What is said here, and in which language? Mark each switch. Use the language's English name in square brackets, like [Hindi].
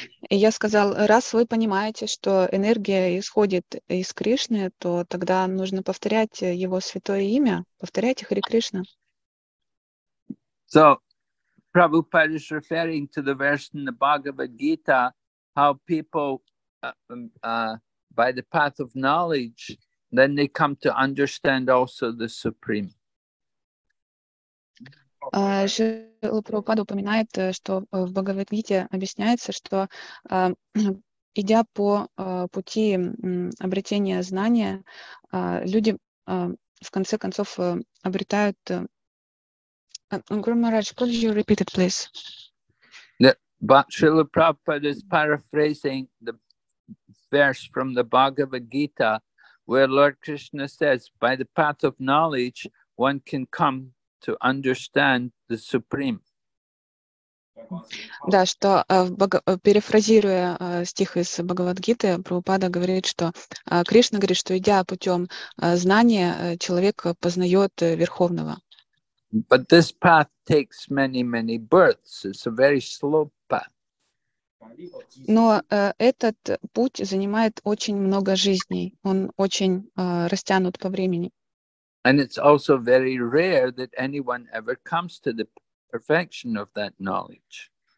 [Russian] И я сказал, раз вы понимаете, что энергия исходит из Кришны, то тогда нужно повторять его святое имя, повторяйте Хари Кришна. [English] So, Prabhupada is referring to the verse in the Bhagavad Gita, how people, by the path of knowledge, then they come to understand also the Supreme. [Russian] Шрила Прабхупада упоминает, что в Бхагавад-гите объясняется, что идя по пути обретения знания, люди в конце концов обретают... [English] Гуру Махарадж, could you repeat it, please? Шрила Прабхупада is paraphrasing the verse from the Bhagavad-gita, where Lord Krishna says, by the path of knowledge, one can come to understand the Supreme. [Russian] Да, что перефразируя стих из Бхагавад-гиты, Прабхупада говорит, что Кришна говорит, что идя путем знания, человек познает Верховного. [English] But this path takes many, many births. It's a very slow path. [Russian] Но этот путь занимает очень много жизней. Он очень растянут по времени. [English] And it's also very rare that anyone ever comes to the perfection of that knowledge.